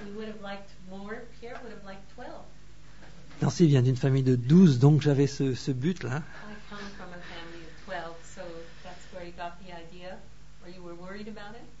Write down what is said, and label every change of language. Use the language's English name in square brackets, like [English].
[English] We would have liked more. Pierre would have liked 12. [French] Nancy vient d'une famille de 12, donc j'avais ce but là. [English] I come from a family of 12, so that's where you got the idea. Or you were worried about it?